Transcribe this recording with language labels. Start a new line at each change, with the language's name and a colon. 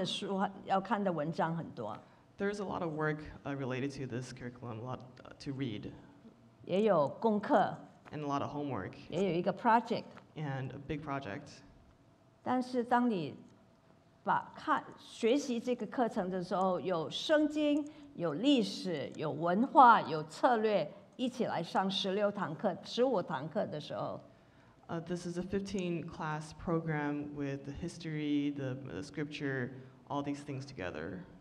Chinese: 因为那一课程虽然是好多要念的很多，要看的书、要看的文章很多.
English: There is a lot of work related to this curriculum, a lot to read.
Chinese: 也有功课.
English: And a lot of homework.
Chinese: 也有一个 project.
English: And a big project.
Chinese: 但是当你把看学习这个课程的时候，有圣经、有历史、有文化、有策略，一起来上16堂课、15堂课的时候，
English: this is a 15-class program with the history, the scripture, all these things together.